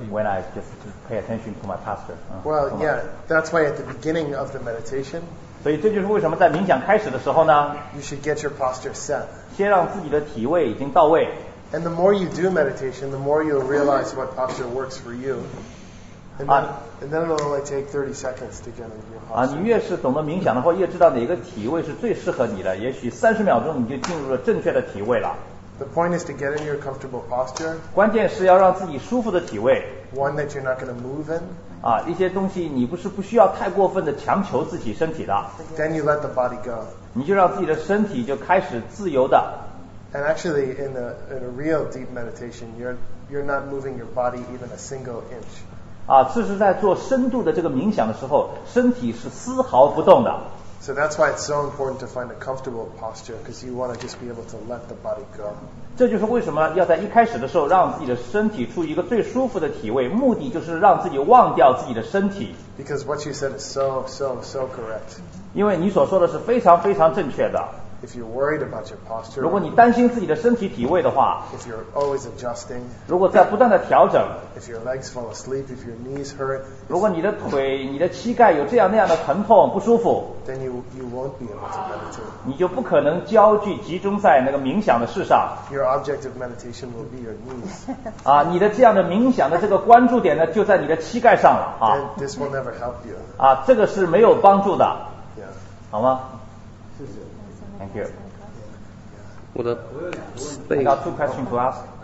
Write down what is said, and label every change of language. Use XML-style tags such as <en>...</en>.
<en>When I just pay attention to my posture. Well, yeah, that's why at the beginning of the meditation.</en> <zh>所以这就是为什么在冥想开始的时候呢</zh> <en>？You should get your posture set.</en> <zh>先让自己的体位已经到位。</zh> <en>And the more you do meditation, the more you'll realize what posture works for you. And then it'll only take 30 seconds to get into your posture.</en> <zh>啊，你越是懂得冥想的话，越知道哪个体位是最适合你的。也许三十秒钟你就进入了正确的体位了。</zh> <en>The point is to get in your comfortable posture.</en> <zh>关键是要让自己舒服的体位。</zh> <en>One that you're not going to move in.</en> <zh>啊，一些东西你不是不需要太过分的强求自己身体的。</zh> <en>Then you let the body go.</en> <zh>你就让自己的身体就开始自由的。</zh> <en>And actually, in a real deep meditation, you're not moving your body even a single inch.</en> <zh>啊，这是在做深度的这个冥想的时候，身体是丝毫不动的。</zh> <en>So that's why it's so important to find a comfortable posture, because you want to just be able to let the body go.</en> <zh>这就是为什么要在一开始的时候让自己的身体处于一个最舒服的体位，目的就是让自己忘掉自己的身体。</zh> <en>Because what you said is so correct.</en> <zh>因为你所说的是非常非常正确的。</zh> <en>If you're worried about your posture,</en> <zh>如果你担心自己的身体体位的话</zh> <en>if you're always adjusting,</en> <zh>如果在不断的调整</zh> <en>if your legs fall asleep, if your knees hurt,</en> <zh>如果你的腿你的膝盖有这样那样的疼痛不舒服</zh> <en>then you won't be able to meditate.</en> <zh>你就不可能焦聚集中在那个冥想的事上</zh> <en>your object of meditation will be your knees.</en> <zh>啊，你的这样的冥想的这个关注点呢就在你的膝盖上了啊。</zh> <en>Then this will never help you.</en> <zh>啊，这个是没有帮助的</zh> <en>yeah.</en> <zh>好吗</zh> <en>Thank you.</en> <zh>我的</zh> <en>I got two questions to ask.</en>